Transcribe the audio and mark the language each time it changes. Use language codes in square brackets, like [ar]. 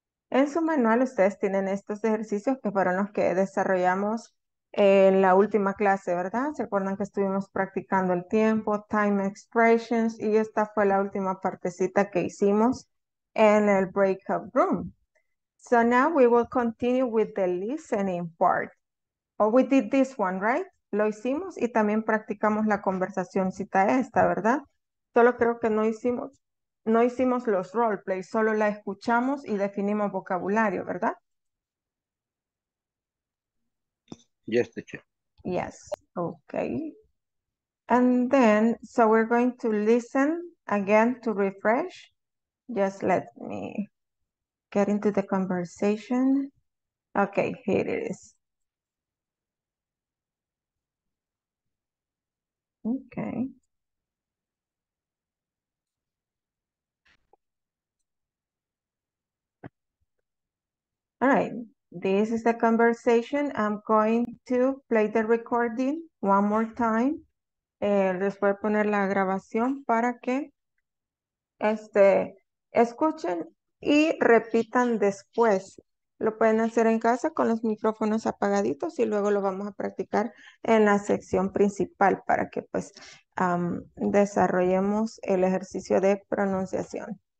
[es] En su manual ustedes tienen estos ejercicios que fueron los que desarrollamos en la última clase, ¿verdad? ¿Se acuerdan que estuvimos practicando el tiempo, time expressions, y esta fue la última partecita que hicimos en el breakout room? [en] So now we will continue with the listening part. Oh, we did this one, right? [es] Lo hicimos y también practicamos la conversación cita esta, ¿verdad? Solo creo que no hicimos los roleplay, solo la escuchamos y definimos vocabulario, ¿verdad? [en] Yes, teacher. Yes, okay. And then, so we're going to listen again to refresh. Just let me get into the conversation. Okay, here it is. Okay. All right. This is the conversation. I'm going to play the recording one more time. [es] Les voy a poner la grabación para que escuchen y repitan después. Lo pueden hacer en casa con los micrófonos apagaditos y luego lo vamos a practicar en la sección principal para que pues desarrollemos el ejercicio de pronunciación.